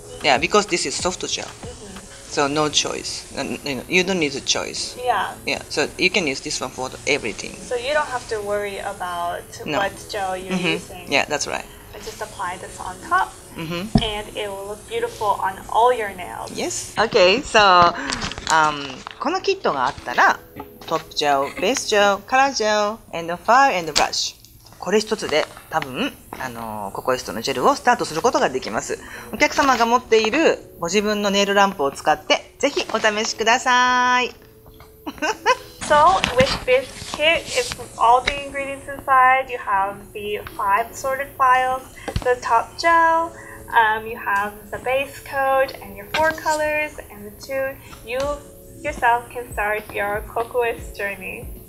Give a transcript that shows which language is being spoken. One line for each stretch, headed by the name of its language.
English: Yeah, because this is soft gel. So no choice, you know, you don't need a choice. So you can use this one for the, everything. So you don't have to worry about what gel you're using. Yeah, that's right. I just apply this on top and it will look beautiful on all your nails. Yes. Okay, so
Japanese: このキットがあったらトップジェル、ベースジェル、カラージェル、エンドファイル、エンドブラッシュ。これ一つで多分、ココイストのジェルをスタートすることができます。お客様が持っているご自分のネイルランプを使ってぜひお試しください。
English: So, with this kit, it's all the ingredients inside. You have the five assorted files, the top gel, you have the base coat and your four colors and the two. You yourself can start your Kokoist journey.